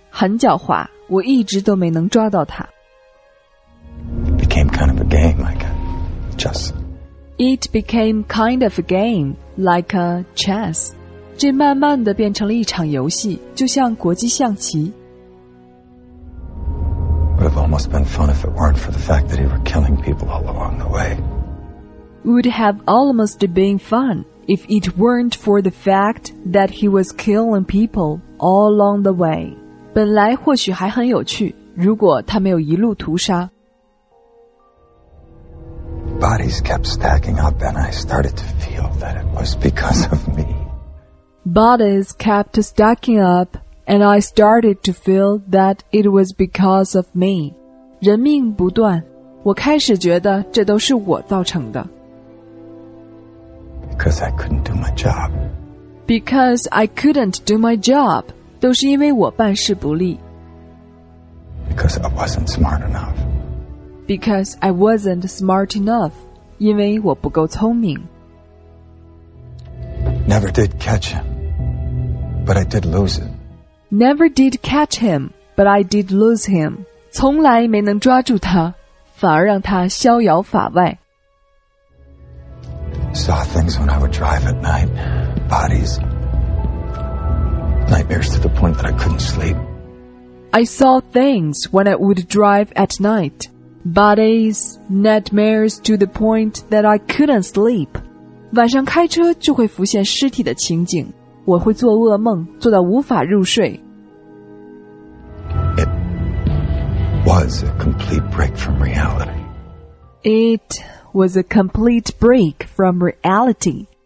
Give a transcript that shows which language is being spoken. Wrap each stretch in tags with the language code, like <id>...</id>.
<zh>很狡猾，我一直都没能抓到他。</zh> <en>It became kind of a game, like a chess. It became kind of a game, like a chess.</en> <zh>这慢慢的变成了一场游戏，就像国际象棋。</zh> <en>Would have almost been fun if it weren't for the fact that he were killing people all along the way. Would have almost been fun if it weren't for the fact that he was killing people all along the way.</en> <zh>本来或许还很有趣，如果他没有一路屠杀。</zh> <en>Bodies kept stacking up, and I started to feel that it was because of me. Bodies kept stacking up. And I started to feel that it was because of me.</en> <zh>人命不断，我开始觉得这都是我造成的。</zh> <en>Because I couldn't do my job. Because I couldn't do my job.</en> <zh>都是因为我办事不力。</zh> <en>Because I wasn't smart enough. Because I wasn't smart enough.</en> <zh>因为我不够聪明。</zh> <en>Never did catch him. But I did lose it. Never did catch him, but I did lose him.</en> <zh>从来没能抓住他，反而让他逍遥法外。</zh> <en>Saw things when I would drive at night. Bodies. Nightmares to the point that I couldn't sleep. I saw things when I would drive at night. Bodies, nightmares to the point that I couldn't sleep.</en> <zh>晚上开车就会浮现尸体的情景，我会做噩梦，做到无法入睡。</zh> <en>It was a complete break from reality. It was a complete break from reality.</en>